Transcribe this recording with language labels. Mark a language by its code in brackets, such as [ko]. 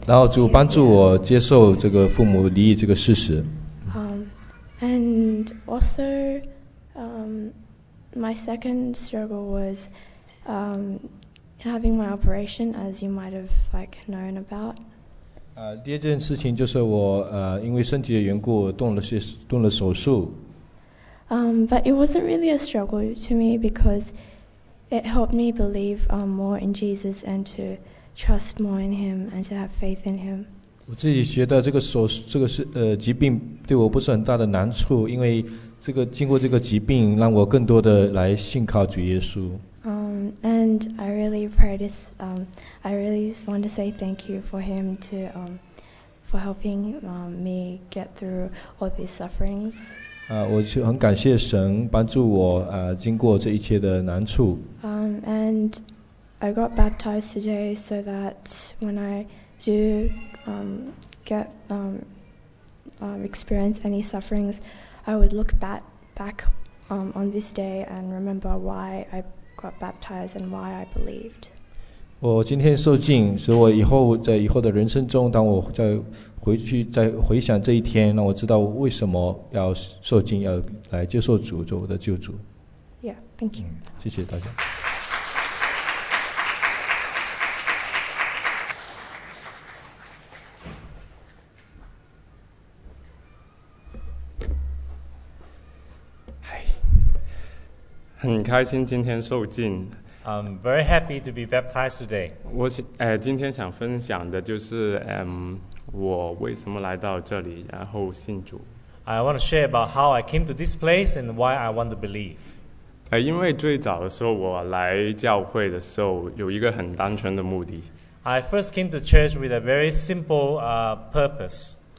[zh] 然后主帮助我接受这个父母离异这个事实。 [en] And also, my second struggle was, having my operation, as you might have like known about. [zh] 第二件事情就是我因为身体的缘故动了手术。 [en] But it wasn't really a struggle to me because it helped me believe more in Jesus and to trust more in Him and to have faith in Him. [zh] 我自己觉得这个疾病对我不是很大的难处，因为这个经过这个疾病让我更多的来信靠主耶稣。 [en] And I really practice. I really want to say thank you for him to for helping me get through all these sufferings. [zh] 我就很感谢神帮助我经过这一切的难处。 [en] And I got baptized today so that when I do get experience any sufferings, I would look back on this day and remember why I got baptized and why I believed. [zh] 我今天受浸，使我以后在以后的人生中，当我再回去再回想这一天，让我知道为什么要受浸，要来接受主做我的救主。 [en] Yeah, thank you. [zh] 谢谢大家。很开心今天受浸。 [en] I'm very happy to be baptized today. [zh] 我今天想分享的就是我为什么来到这里，然后信主。 [en] I want to share about how I came to this place and why I want to believe. [zh] 因为最早的时候我来教会的时候有一个很单纯的目的。 [en] I first came to church with a very simple purpose.